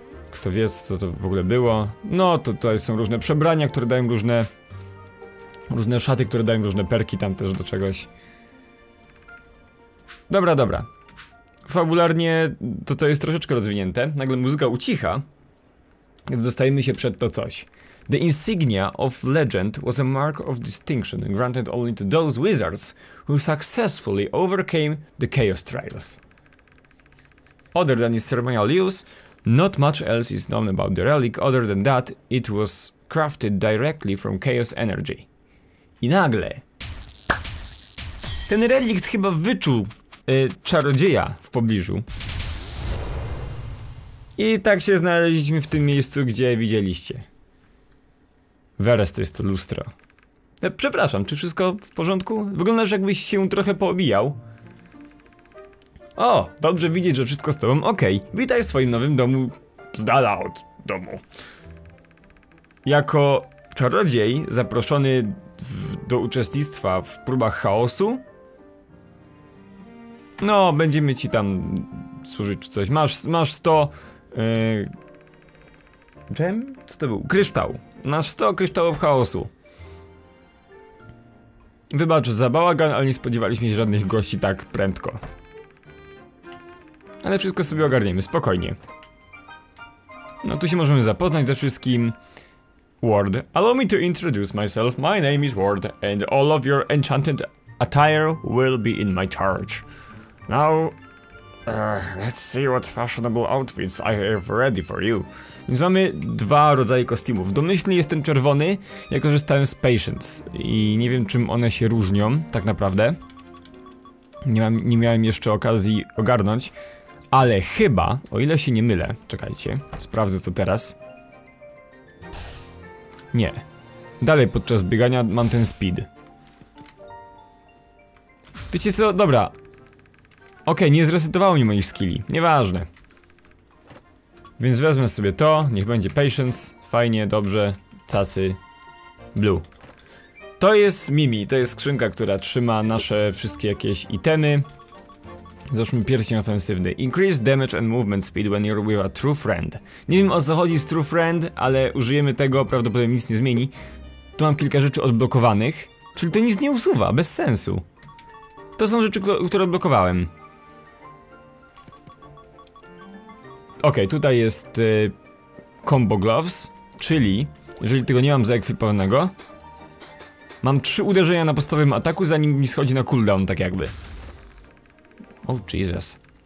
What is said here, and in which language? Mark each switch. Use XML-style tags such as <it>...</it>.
<pl>Kto wie, co to w ogóle było. No, to tutaj są różne przebrania, które dają różne Różne szaty, które dają różne perki tam też do czegoś. Dobra, dobra. Fabularnie to jest troszeczkę rozwinięte. Nagle muzyka ucicha. Dostajemy się przed to coś.</pl> <en>The insignia of legend was a mark of distinction granted only to those wizards who successfully overcame the chaos trials. Other than its ceremonial use, not much else is known about the relic. Other than that, it was crafted directly from chaos energy.</en> <pl>I nagle... Ten relikt chyba wyczuł czarodzieja w pobliżu. I tak się znaleźliśmy w tym miejscu, gdzie widzieliście. Veres, to jest to lustro. Przepraszam, czy wszystko w porządku? Wyglądasz, jakbyś się trochę poobijał. O, dobrze widzieć, że wszystko z tobą. Okej, okay. Witaj w swoim nowym domu. Z dala od domu. Jako czarodziej zaproszony do uczestnictwa w próbach chaosu. No, będziemy ci tam służyć czy coś. Masz 100... Gem? Co to był? Kryształ. Masz 100 kryształów chaosu. Wybacz za bałagan, ale nie spodziewaliśmy się żadnych gości tak prędko. Ale wszystko sobie ogarniemy, spokojnie. No tu się możemy zapoznać ze wszystkim.</pl> <en>Ward, allow me to introduce myself. My name is Ward and all of your enchanted attire will be in my charge. Now, let's see what fashionable outfits I have ready for you.</en> <pl>Więc mamy dwa rodzaje kostiumów. Domyślnie jestem czerwony, ja korzystałem z Patience i nie wiem, czym one się różnią tak naprawdę. Nie miałem jeszcze okazji ogarnąć. Ale chyba, o ile się nie mylę, czekajcie, sprawdzę to teraz. Nie. Dalej podczas biegania mam ten speed. Wiecie co, dobra. Okej, nie zresetowało mi moich skilli, nieważne. Więc wezmę sobie to, niech będzie patience, fajnie, dobrze, cacy, blue. To jest Mimi, to jest skrzynka, która trzyma nasze wszystkie jakieś itemy. Zacznijmy pierścień ofensywny.</pl> <en>Increase damage and movement speed when you're with a true friend.</en> <pl>Nie wiem, o co chodzi z true friend, ale użyjemy tego, prawdopodobnie nic nie zmieni. Tu mam kilka rzeczy odblokowanych, czyli to nic nie usuwa, bez sensu. To są rzeczy, które odblokowałem. Okej, tutaj jest combo gloves, czyli jeżeli tego nie mam zaekwipowanego, mam 3 uderzenia na podstawowym ataku, zanim mi schodzi na cooldown, tak jakby.</pl> <en>Oh Jesus.</en>